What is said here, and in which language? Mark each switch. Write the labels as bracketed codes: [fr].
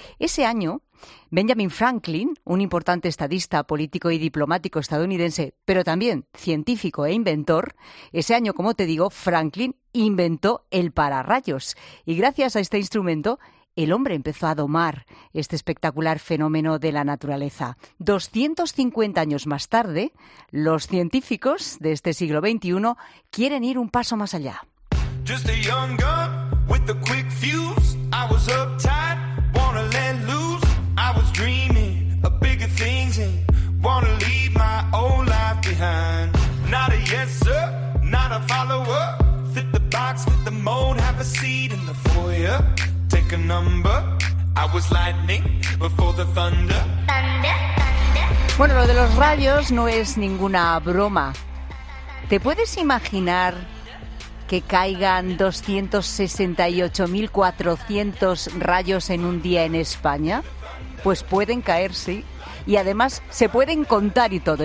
[es] Ese año, Benjamin Franklin, un importante estadista, político y diplomático estadounidense, pero también científico e inventor, ese año, como te digo, Franklin inventó el pararrayos. Y gracias a este instrumento, el hombre empezó a domar este espectacular fenómeno de la naturaleza. 250 años más tarde, los científicos de este siglo XXI quieren ir un paso más allá. [en] Just a young gun with a quick fuse. I was uptight, wanna let loose. I was dreaming of bigger things and wanna leave my old life behind. Not a yes sir, not a follower. Fit the box, fit the mold, have a seat in the foyer. Take a number. I was lightning before the thunder. [es] Bueno, lo de los rayos no es ninguna broma. ¿Te puedes imaginar que caigan 268.400 rayos en un día en España? Pues pueden caer, sí. Y además se pueden contar y todo.